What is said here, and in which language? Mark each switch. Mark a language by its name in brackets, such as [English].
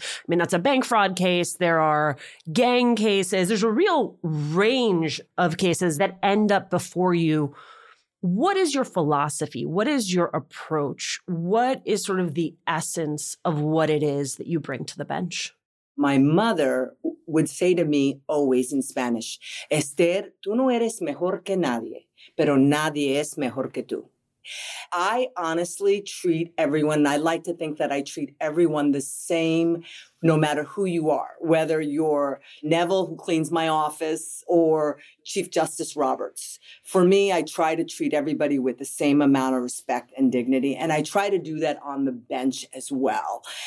[English] I mean, that's a bank fraud case. There are gang cases. There's a real range of cases that end up before you. What is your philosophy? What is your approach? What is sort of the essence of what it is that you bring to the bench? My mother would say to me always in Spanish, Esther, [Spanish] tú no eres mejor que nadie, pero nadie es mejor que tú. [English] I honestly treat everyone, and I like to think that I treat everyone the same, no matter who you are, whether you're Neville, who cleans my office, or Chief Justice Roberts. For me, I try to treat everybody with the same amount of respect and dignity, and I try to do that on the bench as well.